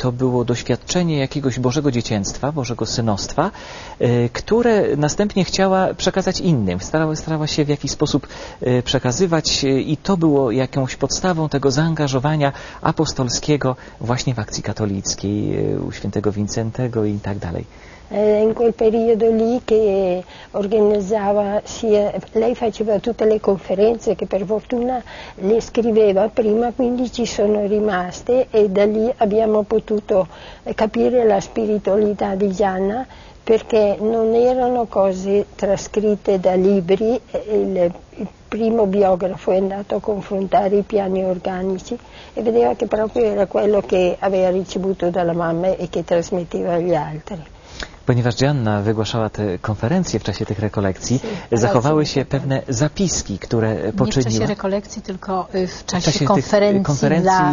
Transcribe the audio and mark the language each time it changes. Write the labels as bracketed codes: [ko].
[pl] To było doświadczenie jakiegoś Bożego dziecięctwa, Bożego synostwa, które następnie chciała przekazać innym. Starała się w jakiś sposób przekazywać, i to było jakąś podstawą tego zaangażowania apostolskiego właśnie w akcji katolickiej u świętego Wincentego i tak dalej. [it] In quel periodo lì che organizzava, lei faceva tutte le conferenze che per fortuna le scriveva prima, quindi ci sono rimaste, e da lì abbiamo potuto capire la spiritualità di Gianna, perché non erano cose trascritte da libri, il primo biografo è andato a confrontare i piani organici e vedeva che proprio era quello che aveva ricevuto dalla mamma e che trasmetteva agli altri. [pl] Ponieważ Gianna wygłaszała te konferencje w czasie tych rekolekcji, zachowały się pewne zapiski, które poczyniła. Nie w czasie rekolekcji, tylko w czasie konferencji